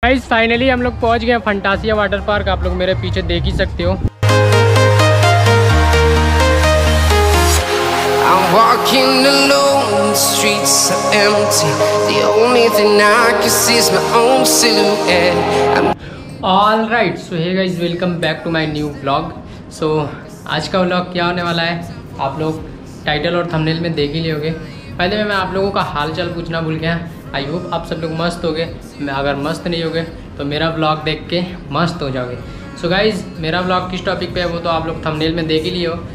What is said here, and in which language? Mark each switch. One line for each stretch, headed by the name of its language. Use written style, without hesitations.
Hindi: Guys finally हम लोग पहुंच गए हैं फंटासिया वाटर पार्क। आप लोग मेरे पीछे देख ही सकते हो।
English: I'm walking alone, the streets are empty. The only thing I can see is my own silhouette. All right, so hey guys, welcome back to my new vlog.
Hindi: So आज का vlog क्या होने वाला है आप लोग टाइटल और thumbnail में देख ही लियोगे। पहले मैं आप लोगों का हाल चाल पूछना भूल गया।
English: I hope
Hindi: आप सब लोग मस्त होगे। मैं अगर मस्त नहीं होगे तो मेरा व्लॉग देख के मस्त हो जाओगे। सो गाइज मेरा व्लॉग किस टॉपिक पे है वो तो आप लोग थंबनेल में देख ही लियो।